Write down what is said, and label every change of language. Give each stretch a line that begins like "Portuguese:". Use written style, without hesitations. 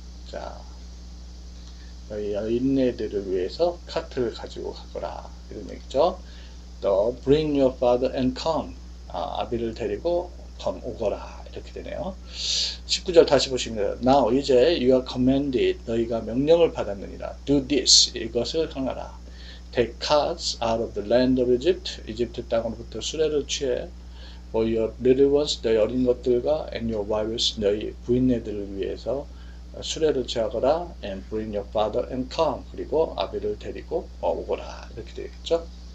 Korean: 자, 너희 여인네들을 위해서 카트를 가지고 가거라. 이런 얘기죠. 또
English: bring your father and come.
Korean: 아비를 데리고 come 오거라. 이렇게 되네요. 19절 다시 보십니다.
English: Now
Korean: 이제
English: you are commanded.
Korean: 너희가 명령을 받았느니라.
English: Do this.
Korean: 이것을 행하라.
English: Take calves out of the land of Egypt.
Korean: 이집트 땅으로부터 수레를 취해.
English: For your little ones.
Korean: 너희 어린 것들과
English: and your wives.
Korean: 너희 부인네들을 위해서 수레를 취하거라.
English: And bring your father and come.
Korean: 그리고 아비를 데리고 오거라. 이렇게 되겠죠.